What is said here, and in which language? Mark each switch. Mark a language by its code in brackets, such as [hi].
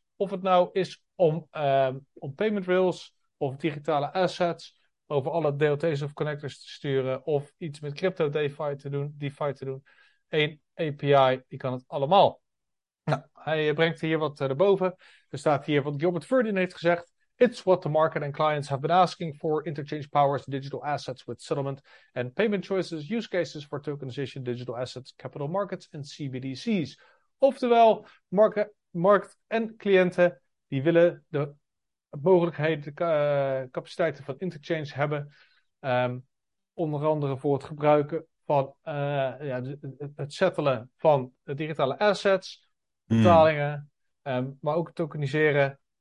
[nl] Of het nou is om payment rails of digitale assets over alle DLT's of connectors te sturen of iets met crypto DeFi te doen. Een API, die kan het allemaal. Nou, hij brengt hier wat erboven. Er staat hier wat Gilbert Verdin heeft gezegd. [en] It's what the market and clients have been asking for. Interchange powers, digital assets with settlement and payment choices, use cases for tokenization, digital assets, capital markets and CBDC's. [nl] Oftewel, markt en cliënten die willen de mogelijkheden, de capaciteiten van interchange hebben. Onder andere voor het gebruiken van het settelen van digitale assets, betalingen, maar ook tokeniseren.